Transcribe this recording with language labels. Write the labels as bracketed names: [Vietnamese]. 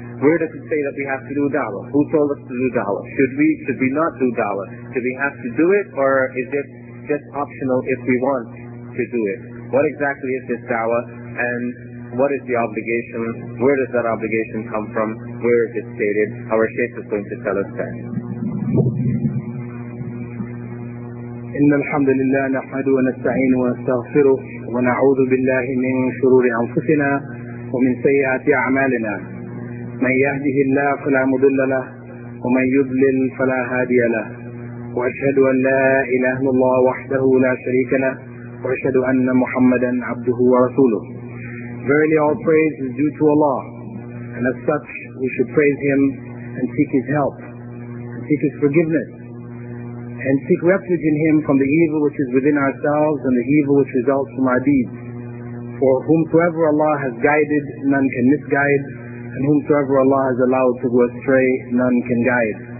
[English] Where does it say that we have to do Dawah? Who told us to do Dawah? Should we not do Dawah? Do we have to do it, or is it just optional if we want to do it? What exactly is this Dawah, and what is the obligation? Where does that obligation come from? Where is it stated? Our Shaykh is going to tell us that. [Arabic] إن الحمد لله نحمده ونستعينه ونستغفره ونعوذ بالله من شرور أنفسنا ومن سيئات أعمالنا من يهده الله فلا مضل له ومن يضلل فلا هادي له وأشهد أن لا إله إلا الله وحده لا شريك له وأشهد أن محمدا عبده ورسوله. [English] Verily all praise is due to Allah, and as such we should praise Him and seek His help and seek His forgiveness and seek refuge in Him from the evil which is within ourselves and the evil which results from our deeds. For whomsoever Allah has guided, none can misguide, and whomsoever Allah has allowed to go astray, none can guide.